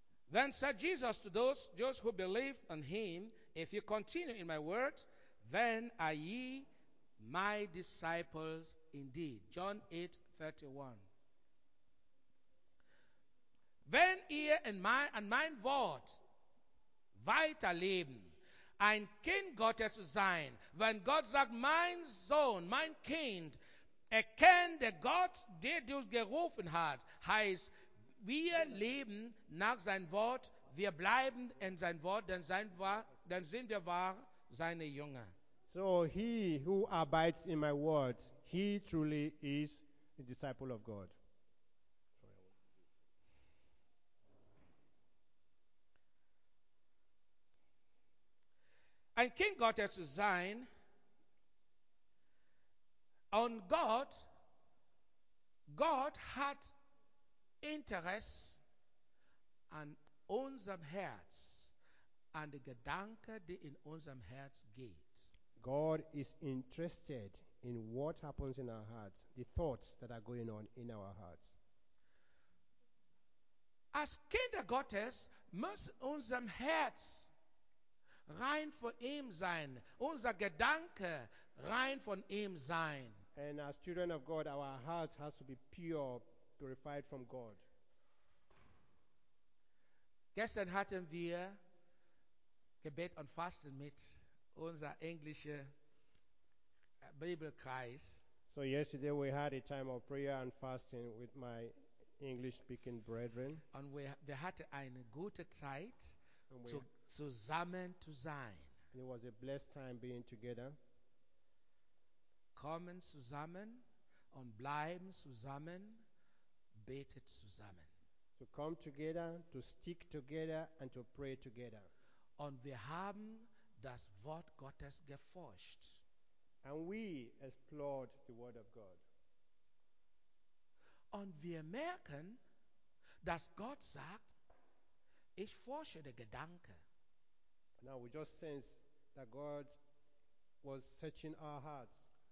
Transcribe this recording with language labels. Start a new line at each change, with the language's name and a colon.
English: Then said Jesus to those who believe on him, if you continue in my word, then are ye my disciples indeed. John 8, 31.
German: Wenn ihr an mein Wort weiterleben, ein Kind Gottes zu sein, wenn Gott sagt, mein Sohn, mein Kind, erkennt der Gott, der dich gerufen hat, heißt, wir leben nach seinem Wort, wir bleiben in seinem Wort, denn sind wir wahr seine Jünger.
English: So he who abides in my word, he truly is a disciple of God.
German: Ein Kind Gottes zu sein, und Gott hat Interesse an unserem Herz, an die Gedanke, die in unserem Herz geht.
English: God is interested in what happens in our hearts, the thoughts that are going on in our hearts.
German: Als Kinder Gottes muss unserem Herz rein von ihm sein, unser Gedanke rein von ihm sein.
English: And as children of God, our hearts has to be pure, purified from God.
German: Gestern hatten wir Gebet und Fasten mit unser englischer Bibelkreis.
English: So yesterday we had a time of prayer and fasting with my English-speaking brethren.
German: Und wir hatten eine gute Zeit zusammen zu sein.
English: And it was a blessed time being together.
German: Kommen zusammen und bleiben zusammen, betet zusammen.
English: To come together, to stick together and to pray together.
German: Und wir haben das Wort Gottes geforscht.
English: And we explored the Word of God.
German: Und wir merken, dass Gott sagt, ich forsche den Gedanken.
English: Now we just sense that God was searching our hearts.